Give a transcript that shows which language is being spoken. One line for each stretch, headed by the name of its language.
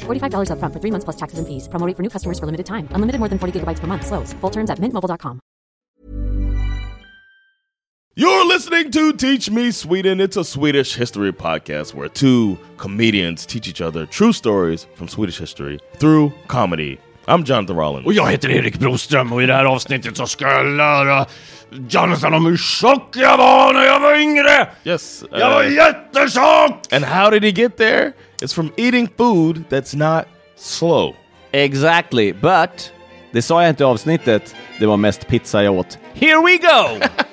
English: $45 up front for 3 months plus taxes and fees. Promo rate for new customers for limited time. Unlimited more than 40 gigabytes per month. Slows full terms at mintmobile.com. You're listening to Teach Me Sweden. It's a Swedish history podcast where two comedians teach each other true stories from Swedish history through comedy. I'm Jonathan Rollins.
Swedish: Och jag heter Erik Broström, och i det här avsnittet så ska jag lära Jonathan om hur tjock jag var när jag var yngre.
English: Yes.
Swedish: Jag var jättetjock.
English: And how did he get there? It's from eating food that's not slow. Exactly, but
Swedish: det sa jag inte i avsnittet, det var mest pizza jag åt.
English: Here we go!